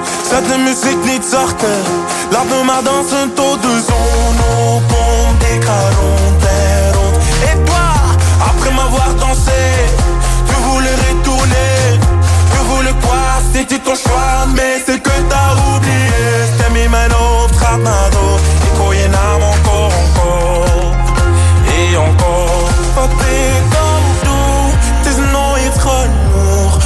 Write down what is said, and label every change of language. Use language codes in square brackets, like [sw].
[nl] Zet de muziek niet zachter. Laat me maar dansen tot de zon opkomt. Ik ga rond en rond. [fr] Et toi, après m'avoir dansé, tu voulais retourner. Tu voulais croire, c'était ton choix. Mais c'est que t'as oublié. T'as mis [nl] mijn hoofd, gaat naar door. Ik hoor je naam [fr] encore, encore. Et encore. [nl] Wat ik dan doe, het is nooit genoeg.